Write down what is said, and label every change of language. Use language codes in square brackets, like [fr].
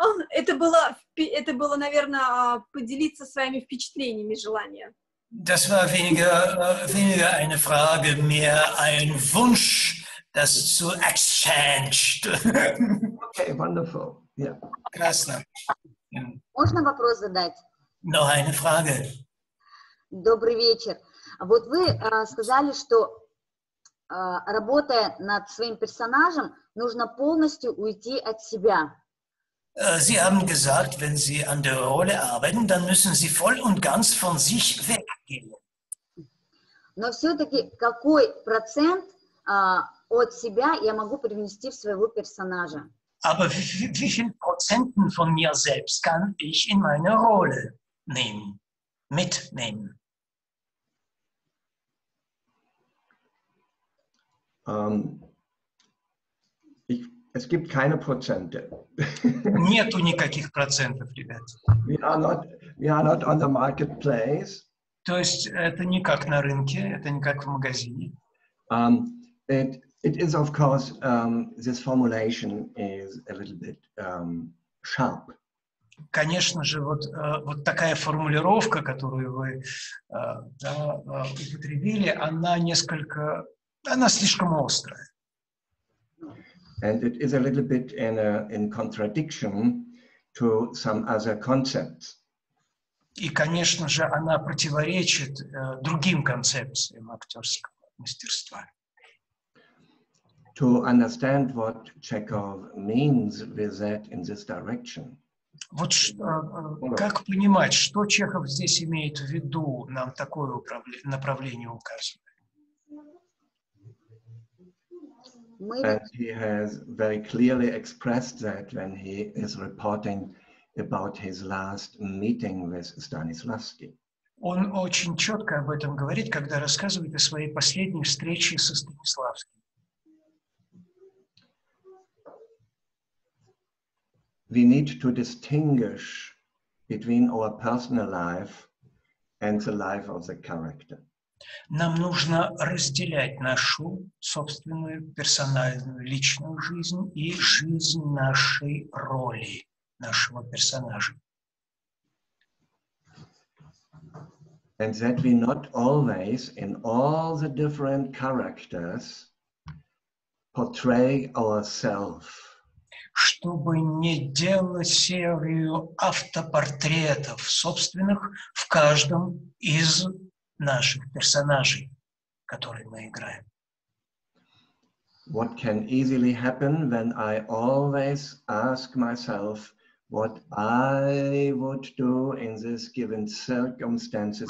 [ru] Это было, наверное, поделиться своими впечатлениями, желанием. [de] Das war weniger eine Frage, mehr ein Wunsch, das zu exchanged. [en] Okay, wonderful. Yeah. [ru] Красно. Можно вопрос задать? [de] Noch eine Frage. [ru] Добрый вечер. Вот вы сказали, что работая над своим персонажем, нужно полностью уйти от себя. [de] Sie haben gesagt, wenn Sie an der Rolle arbeiten, dann müssen Sie voll und ganz von sich weggehen. [ru] Но все-таки какой процент от себя я могу привнести в своего персонажа? [de] Aber wie viel Prozenten von mir selbst kann ich in meine Rolle nehmen, mitnehmen? Es gibt keine Prozente. [ru] Нету никаких процентов, ребят. [en] We are not on the marketplace. [ru] То есть это не как на рынке, это не как в магазине. [en] It is of course this formulation is a little bit sharp. [ru] Конечно же, вот такая формулировка, которую вы употребили, она несколько. Она слишком острая. [en] And it is a little bit in contradiction to some other concepts. [ru] И, конечно же, она противоречит другим концепциям актерского мастерства. [en] To understand what Chekhov means with that in this direction. [ru] Вот как понимать, что Чехов здесь имеет в виду, нам такое направление указывает? [en] And he has very clearly expressed that when he is reporting about his last meeting with Stanislavski. [ru] Он очень четко об этом говорит, когда рассказывает о своей последней встрече со Станиславским. [en] We need to distinguish between our personal life and the life of the character. [ru] Нам нужно разделять нашу собственную персональную личную жизнь и жизнь нашей роли, нашего персонажа. [en] And that we not always in all the different characters portray ourselves. [ru] Чтобы не делать серию автопортретов собственных в каждом из наших персонажей, которые мы играем. [en] What can easily happen when I always ask myself what I would do in this given circumstances?